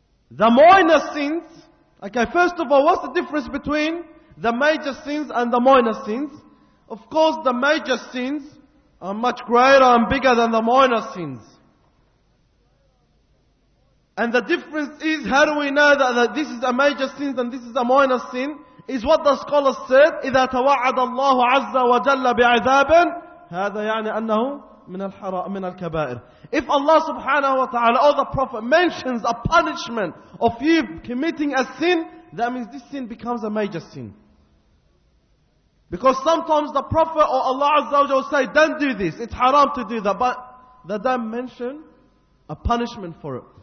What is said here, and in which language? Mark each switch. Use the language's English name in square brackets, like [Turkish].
[English] The minor sins, okay, first of all, what's the difference between the major sins and the minor sins? Of course, the major sins are much greater and bigger than the minor sins. And the difference is, how do we know that this is a major sin and this is a minor sin? [Arabic] Is what the scholars said, إِذَا تَوَعَدَ اللَّهُ عَزَّ وَجَلَّ بِعِذَابٍ هَذَا يَعْنِ أَنَّهُ مِنَ الْحَرَاءِ مِنَ الْكَبَائِرِ. [English] If Allah subhanahu wa ta'ala or the Prophet mentions a punishment of you committing a sin, that means this sin becomes a major sin. Because sometimes the Prophet or Allah Azza wa Jalla say, don't do this, it's haram to do that, but they don't mention a punishment for it.